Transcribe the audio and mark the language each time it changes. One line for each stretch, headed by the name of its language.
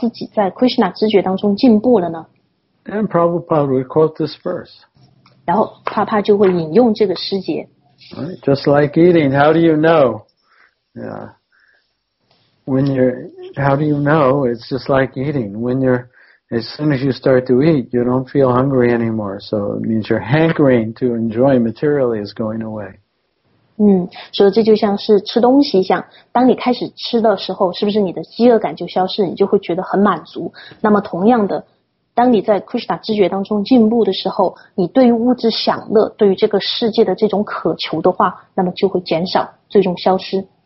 Chinese: 所以有些时候之前就有人问帕帕的，就是我怎么知道自己在Krishna知觉当中进步了呢？
English: And Prabhupada would quote this verse.
Chinese: 然后帕帕就会引用这个师节。
English: Right, just like eating, how do you know? Yeah. It's just like eating. As soon as you start to eat, you don't feel hungry anymore. So it means your hankering to enjoy materially is going away.
Chinese: 所以这就像是吃东西一样，当你开始吃的时候，是不是你的饥饿感就消失，你就会觉得很满足。那么同样的。当你在Krishna知觉当中进步的时候, 你对于物质享乐, 对于这个世界的这种渴求的话, 那么就会减少, 最终消失。